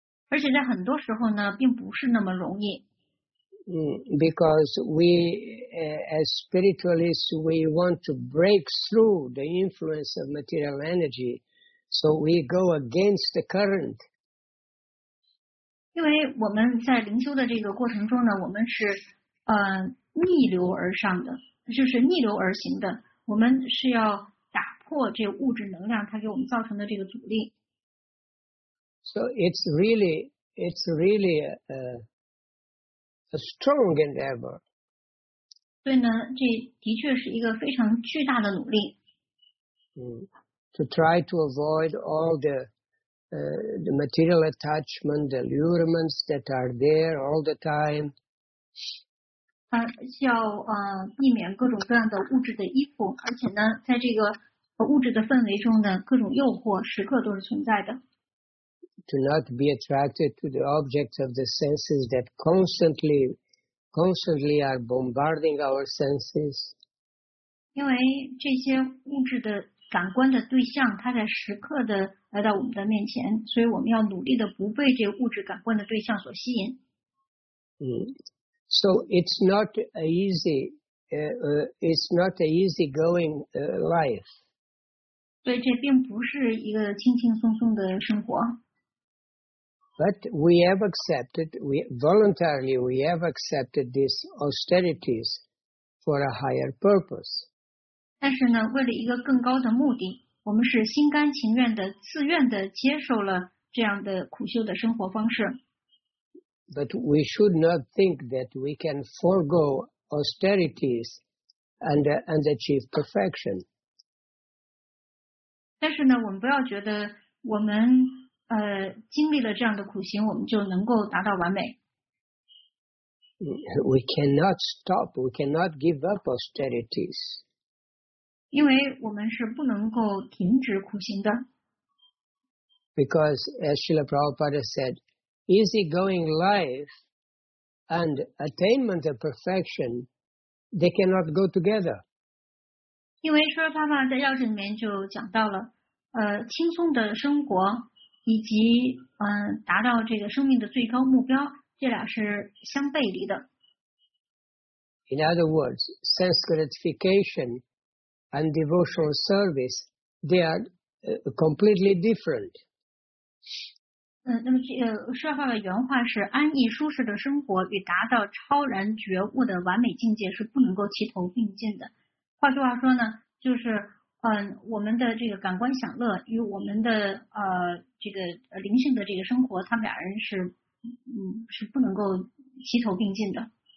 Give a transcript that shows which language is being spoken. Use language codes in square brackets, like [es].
[zh] 而且在很多时候呢，并不是那么容易。 [en] Because we, as spiritualists, we want to break through the influence of material energy, so we go against the current. [zh] 因为我们在灵修的这个过程中呢，我们是逆流而上的，就是逆流而行的。我们是要打破这物质能量它给我们造成的这个阻力。 [en] So it's really a strong endeavor. [zh] 对呢，这的确是一个非常巨大的努力。 [en] To try to avoid all the material attachment, the allurements that are there all the time. [zh] 要避免各种各样的物质的依附，而且呢，在这个物质的氛围中呢，各种诱惑时刻都是存在的。 [en] To not be attracted to the objects of the senses that constantly are bombarding our senses. [zh] 因为这些物质的感官的对象，它在时刻的来到我们的面前，所以我们要努力的不被这物质感官的对象所吸引。 [en] So it's not a easy, going life. [zh] 所以这并不是一个轻轻松松的生活。 [en] But we have accepted, we have accepted these austerities for a higher purpose. [zh] 但是呢，为了一个更高的目的，我们是心甘情愿的、自愿的接受了这样的苦修的生活方式。 [en] But we should not think that we can forego austerities and achieve perfection. [zh] 但是呢，我们不要觉得我们经历了这样的苦行，我们就能够达到完美。 [en] We cannot stop. We cannot give up austerities. [zh] 因为我们是不能够停止苦行的。 [en] Because as Srila Prabhupada said,easygoing life and attainment of perfection, they cannot go together. [zh] 因为说爸爸在钥匙里面就讲到了，轻松的生活以及达到这个生命的最高目标，这俩是相背离的。 [en] In other words, sense gratification and devotional service, they are completely different. [zh] 那么这个说法的原话是安逸舒适的生活与达到超然觉悟的完美境界是不能够齐头并进的。换句话说呢，就是我们的这个感官享乐与我们的这个灵性的这个生活，他们俩人是不能够齐头并进的。